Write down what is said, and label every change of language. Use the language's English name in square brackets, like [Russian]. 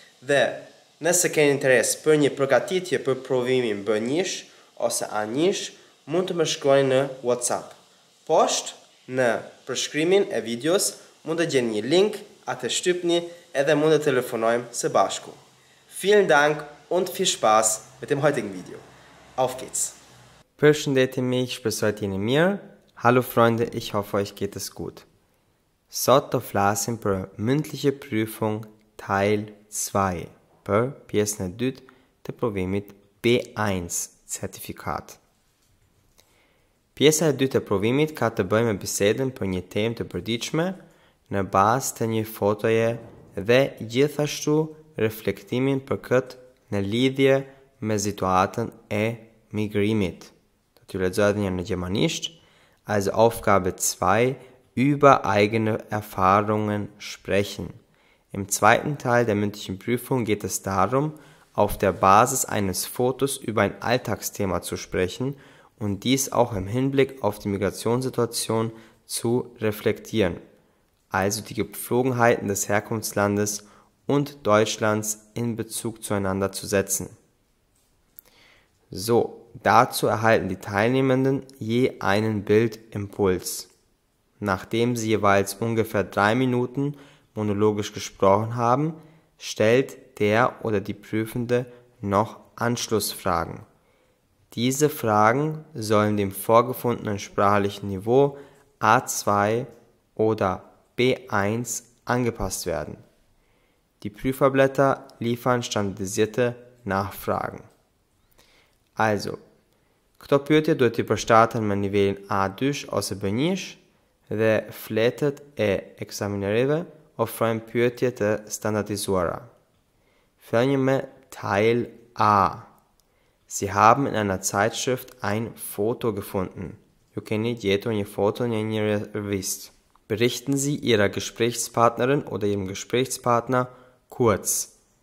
[Albanian] Dhe nëse keni interes për një përgatitje për provimin B1 ose A1, mund të më shkruani në WhatsApp. Poshtë, në përshkrimin e videos, mund të gjeni një link, atë shtypni, edhe mund të telefonojmë së bashku. [German] Vielen Dank und viel Spaß mit dem heutigen Video. Auf geht's! [Albanian] Përshëndetje miq, shpresoj të jeni mirë. [German] Hallo Freunde, ich hoffe euch geht es gut. [Albanian] Sot do flasim për [German] mündliche Prüfung Teil 2, [Albanian] për pjesën e dytë të provimit B1. Certifikat. Pjesa e dytë e provimit ka të bëjë me bisedën për një temë të përditshme në bazë të një fotoje dhe gjithashtu reflektimin për këtë në lidhje me situatën e migrimit. Do t'ju lexoj edhe një në gjermanisht. [German] Als Aufgabe 2 über eigene Erfahrungen sprechen. Im zweiten Teil der mündlichen Prüfung geht es darum, auf der Basis eines Fotos über ein Alltagsthema zu sprechen und dies auch im Hinblick auf die Migrationssituation zu reflektieren, also die Gepflogenheiten des Herkunftslandes und Deutschlands in Bezug zueinander zu setzen. So, dazu erhalten die Teilnehmenden je einen Bildimpuls. Nachdem sie jeweils ungefähr 3 Minuten monologisch gesprochen haben, stellt der oder die Prüfende noch Anschlussfragen. Diese Fragen sollen dem vorgefundenen sprachlichen Niveau A2 oder B1 angepasst werden. Die Prüferblätter liefern standardisierte Nachfragen. [Albanian] Also, kto pyetje duhet të përshtaten me nivelin A2 ose B1 dhe fletet e ekzaminereve ofrojnë pyetje të standardizuara. [German] Fangen wir mit Teil A. Sie haben in einer Zeitschrift ein Foto gefunden. Berichten Sie Ihrer Gesprächspartnerin oder Ihrem Gesprächspartner kurz.